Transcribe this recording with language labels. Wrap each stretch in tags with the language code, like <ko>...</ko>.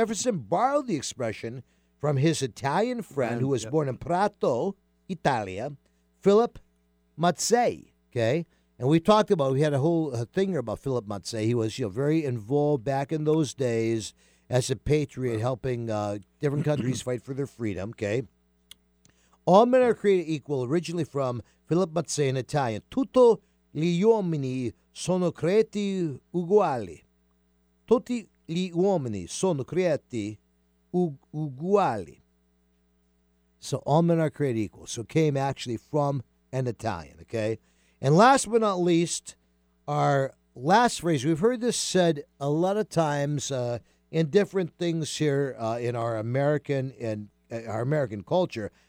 <en>Jefferson borrowed the expression from his Italian friend who was born in Prato, Italia, Philip Mazzei, okay? And we talked about, we had a whole thing here about Philip Mazzei. He was, you know, very involved back in those days as a patriot helping different countries fight for their freedom, okay? All men are created equal, originally from Philip Mazzei in Italian.</en> <it>Tutto gli uomini sono creati uguali. Tutti gli uomini sono creati uguali.</it> <en>So all men are created equal. So it came actually from an Italian, okay? And last but not least, our last phrase. We've heard this said a lot of times in different things here in our American and our American culture.</en>